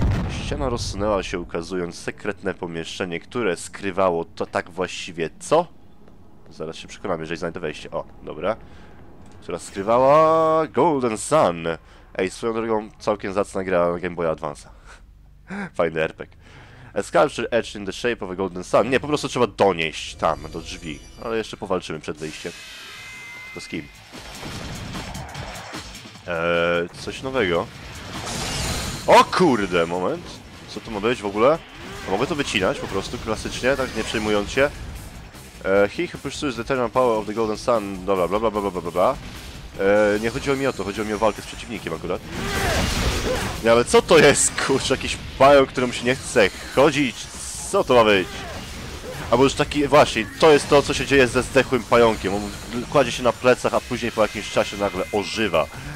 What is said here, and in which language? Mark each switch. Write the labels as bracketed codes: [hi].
[pl] Ściana rozsunęła się, ukazując sekretne pomieszczenie, które skrywało to tak właściwie co? Zaraz się przekonam, jeżeli znajdę wejście. O, dobra. Która skrywała Golden Sun. Ej, swoją drogą, całkiem zacna gra na Game Boy Advance. Fajny RPG. [en] A sculpture etched in the shape of a Golden Sun. [pl] Nie, po prostu trzeba donieść tam, do drzwi. Ale jeszcze powalczymy przed wejściem. To z kim? Coś nowego. O kurde, moment. Co to ma być w ogóle? A mogę to wycinać po prostu, klasycznie, tak nie przejmując się. [en] He who pursues the eternal power of the Golden Sun. [pl] Dobra, bla bla bla bla bla bla. Nie chodziło mi o to, chodziło mi o walkę z przeciwnikiem akurat. Nie, ale co to jest, kurczę, jakiś pająk, któremu się nie chce chodzić? Co to ma być? Albo już taki, właśnie, to jest to, co się dzieje ze zdechłym pająkiem. On kładzie się na plecach, a później po jakimś czasie nagle ożywa.